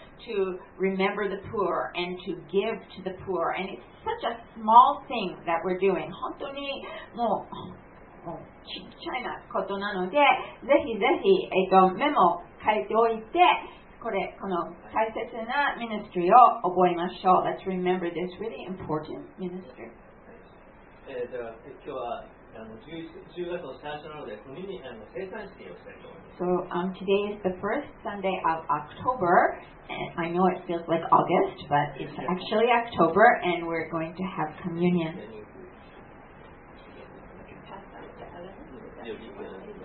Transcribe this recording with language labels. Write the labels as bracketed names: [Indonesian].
[English] to remember the poor and to give to the poor. And it's such a small thing that we're doing. [Japanese] 本当にもう、もうちっちゃいなことなので、ぜひぜひ、メモ書いておいて、これ、この大切なミニストリーを覚えましょう。 [English] Let's remember this really important ministry. [Japanese] では、今日は [English] So, today is the first Sunday of October, and I know it feels like August, but it's actually October, and we're going to have communion.